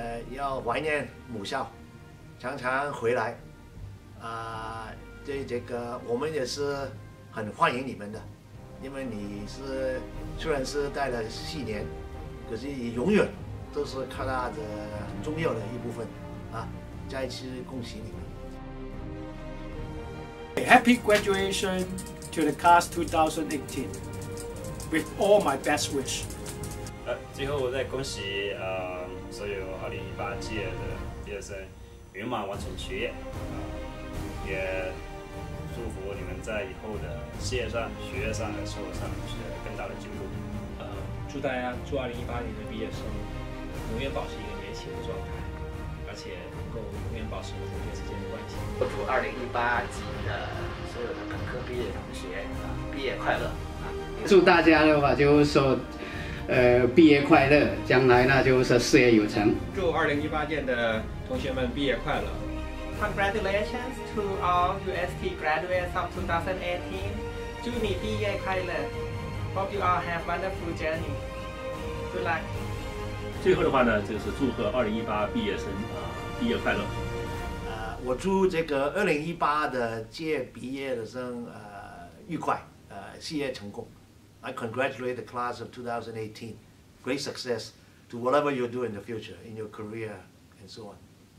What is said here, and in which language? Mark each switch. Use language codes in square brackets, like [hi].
[zh] 要怀念母校，常常回来对这个我们也是很欢迎你们的，因为你是虽然是待了四年，可是你永远都是科大的很重要的一部分再一次恭喜你们。 [en] Happy graduation to the class 2018 with all my best wish。 [zh] 最后我再恭喜所有2018届的毕业生圆满完成学业也祝福你们在以后的事业上、学业上和生活上取得更大的进步。祝大家，祝2018年的毕业生永远保持一个年轻的状态，而且能够永远保持同学之间的关系。我祝2018级的所有的本科毕业同学毕业快乐。祝大家的话就是说，毕业快乐，将来呢就是事业有成。祝2018届的同学们毕业快乐。 [en] Congratulations to all UST graduates of 2018. [zh] 祝你毕业快乐。 [en] Hope you all have wonderful journey. Good luck. [zh] 最后的话呢，就是祝贺2018毕业生毕业快乐。我祝这个2018的届毕业的生愉快，事业成功。 [en] I congratulate the class of 2018. Great success to whatever you do in the future, in your career, and so on.